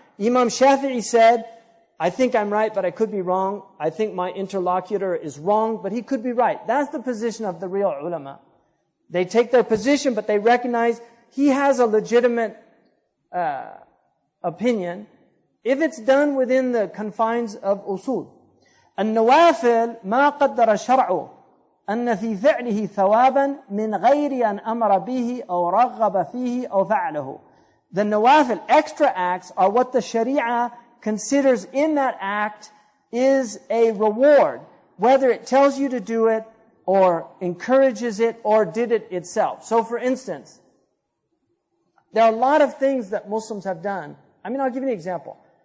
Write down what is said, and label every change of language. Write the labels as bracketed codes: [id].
[en] Imam Shafi'i said, I think I'm right, but I could be wrong. I think my interlocutor is wrong, but he could be right. That's the position of the real ulama. They take their position, but they recognize he has a legitimate opinion if it's done within the confines of usul. [ar] النوافل ما قدر شرع أن في فعله ثوابا من غير أن أمر به أو رغب فيه أو فعله. [en] The nawafil, extra acts, are what the Sharia considers in that act is a reward, whether it tells you to do it, or encourages it, or did it itself. So for instance, there are a lot of things that Muslims have done. I mean, I'll give you an example.